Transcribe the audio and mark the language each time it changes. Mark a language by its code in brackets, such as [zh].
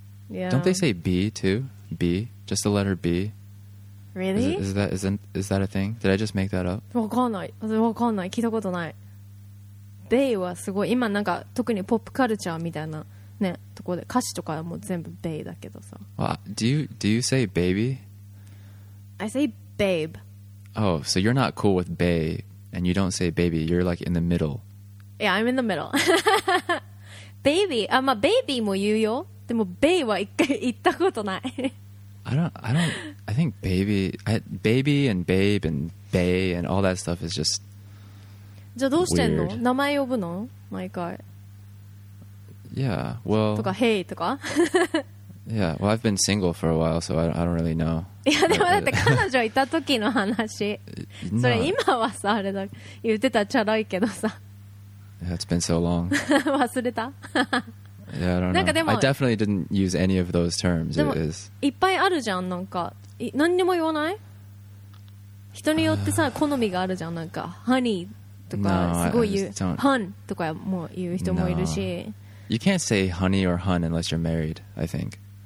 [en] yeah. Don't they say b too? B? Just the letter b? Really? Is that a thing? Did I just make that up? [ja] わかんない。わかんない。聞いたことない。Bay はすごい。今なんか特にポップカルチャーみたいなね、ところで歌詞とかも全部 Bay だけどさ。 [en] Do you say baby? I say babe. Oh, so you're not cool with Bay and you don't say baby. You're like in the middle. Yeah, I'm in the middle. baby. [ja] あ、まあ baby も言うよ。でも Bay は一回言ったことない。 [en] I think baby and babe and bae and all that stuff is just [ja] じゃあどうしてんの？名前呼ぶの？毎回。 [en] Yeah, well. [ja] とか hey とか。 [en] Yeah, well, I've been single for a while, so I don't really know. [ja] いやでもだって彼女いた時の話。それ今はさあれだ言ってたチャラいけどさ。 [en] Yeah, it's been so long. [ja] 忘れた。 [en] Yeah, I don't know. I definitely didn't use any of those terms. It is. [ja] いっぱいあるじゃん、なんか。何にも言わない？人によってさ、好みがあるじゃん、なんか。 Honey とか、すごい言う。Hun とかも言う人もいるし。 [en] You can't say honey or hun unless you're married, I think.